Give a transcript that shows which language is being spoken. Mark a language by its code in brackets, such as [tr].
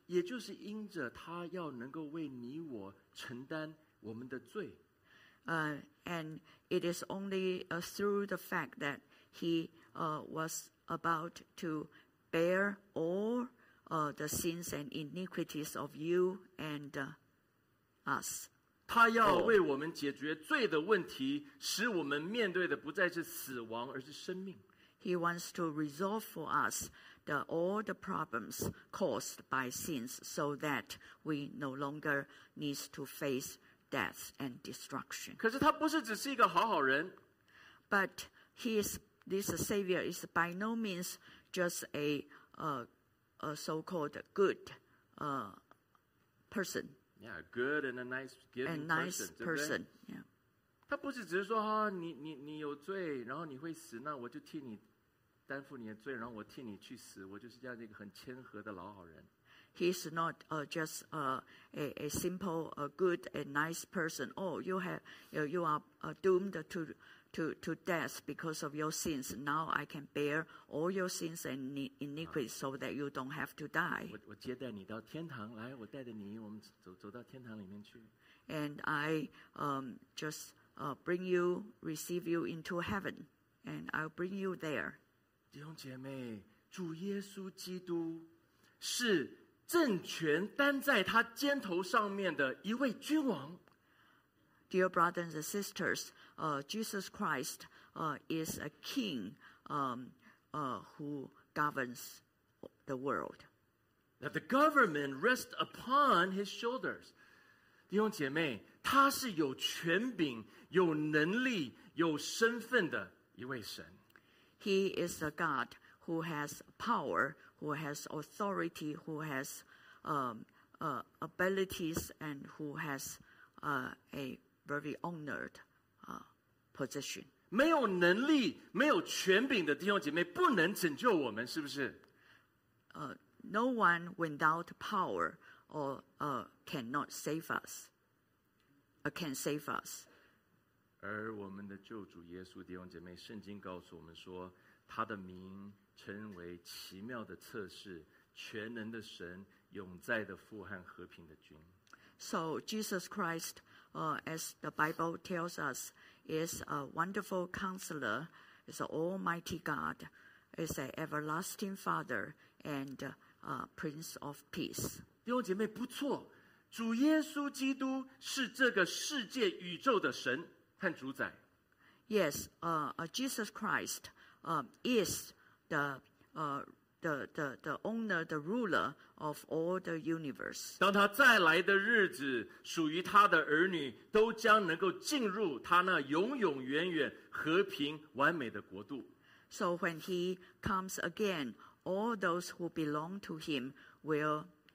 [zh] 也就是因着他要能够为你我承担我们的罪。 [en] And it is only through the fact that he was about to bear all the sins and iniquities of you and us. [zh] 他要为我们解决罪的问题，使我们面对的不再是死亡，而是生命。 [en] He wants to resolve for us the, all the problems caused by sins so that we no longer need to face death and destruction. [zh] 可是他不是只是一个好好人。 [en] But this Savior is by no means just a so-called good person. Yeah, good and a nice giving person. A nice person, yeah. [zh] 他不是只是说、啊、你有罪然后你会死那我就替你担负你的罪然后我替你去死我就是这样一个很谦和的老好人 [en] He is not just a simple a good and nice person Oh, you are doomed to death because of your sins Now I can bear all your sins and iniquities so that you don't have to die [zh] 我接待你到天堂来我带着你我们 走到天堂里面去 [en] And I justbring you, receive you into heaven, and I'll bring you there. [zh] 弟兄姐妹，主耶稣基督是政权担在他肩头上面的一位君王。 [en] Dear brothers and sisters, Jesus Christ is a king who governs the world. That the government rests upon his shoulders. [zh] 弟兄姐妹，他是有权柄有能力有身份的一位神 [en] He is a God who has power who has authority who has abilities and who has a very honored position [zh] 没有能力没有权柄的弟兄姐妹不能拯救我们是不是 [en] No one without power or cannot save us can save us [zh] 而我们的救主耶稣弟兄姐妹圣经告诉我们说他的名称为奇妙的策士全能的神永在的父和和平的君 [en] So Jesus Christ as the Bible tells us is a wonderful counselor is an almighty God is an everlasting father and a prince of peace [zh] 弟兄姐妹不错主耶稣基督是这个世界宇宙的神和主宰。 [en] Yes, Jesus Christ, is the owner, the ruler of all the universe. [zh] 当他再来的日子，属于他的儿女都将能够进入他那永永远远和平完美的国度。 [en] So when he comes again, all those who belong to him will.